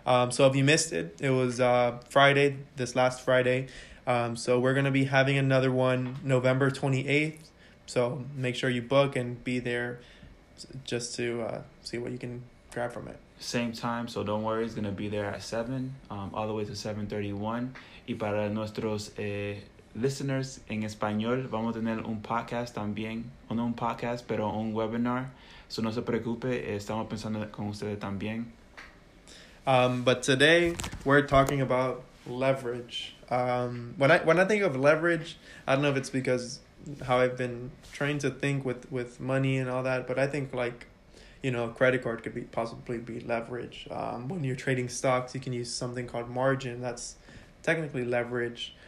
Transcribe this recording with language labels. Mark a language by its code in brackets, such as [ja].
[en] So if you missed it, it was Friday, this last Friday. So we're going to be having another one November 28th. So make sure you book and be there just to see what you can grab from it. Same time, so don't worry, it's going to be there at 7, all the way to 7:31. [es] Y para nuestros listeners en español, vamos a tener un podcast también, no un podcast, pero un webinar. So no se preocupe, estamos pensando con ustedes también. [en] But today, we're talking about leverage. When I think of leverage, I don't know if it's because how I've been trying to think with money and all that, but I think like, you know, a credit card could possibly be leverage. When you're trading stocks, you can use something called margin. That's technically leverage.